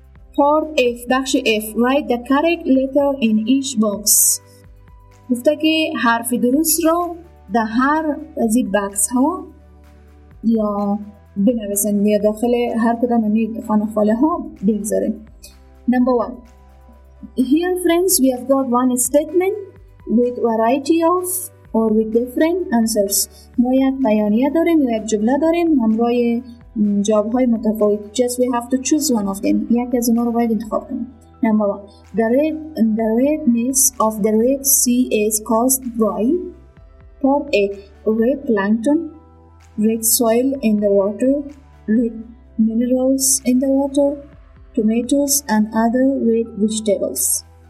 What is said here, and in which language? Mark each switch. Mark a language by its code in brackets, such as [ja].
[en] Part F, [fa] بخش F, [en] write the correct letter in each box. [fa] گفته که حرف درست را در هر از این باکس ها یا بنویسن یا داخل هر کدام این خانه خاله ها بگذاریم. [en] Number one, here friends we have got one statement with variety of or with different answers. [fa] ما یک بیانیه داریم یا یک جمله داریم همراه جواب های متفاوت. [en] Just we have to choose one of them. [fa] یک از اونا رو باید انتخاب کنیم. [en] Number one, the redness of the Red Sea is caused by part A, red plankton, red soil in the water, red minerals in the water, tomatoes and other red vegetables.